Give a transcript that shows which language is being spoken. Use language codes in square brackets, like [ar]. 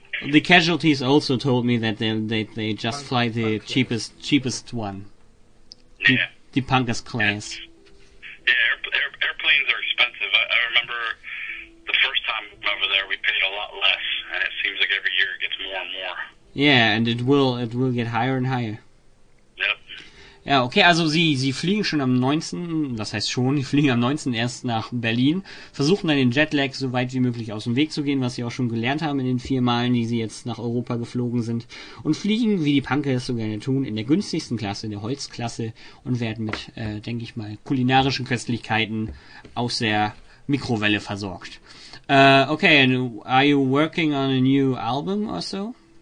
[en] The casualties also told me that they just fly the cheapest one. The punkest class. Airplanes are expensive. I remember the first time over there we paid a lot less, and it seems like every year it gets more and more. Yeah, and it will get higher and higher. [de] Ja, okay, also sie fliegen schon am 19., das heißt schon, sie fliegen am 19. erst nach Berlin, versuchen dann den Jetlag so weit wie möglich aus dem Weg zu gehen, was sie auch schon gelernt haben in den 4 Malen, die sie jetzt nach Europa geflogen sind, und fliegen, wie die Punker es so gerne tun, in der günstigsten Klasse, in der Holzklasse, und werden mit, denke ich mal, kulinarischen Köstlichkeiten aus der Mikrowelle versorgt. [en] Okay, and are you working on a new album or so?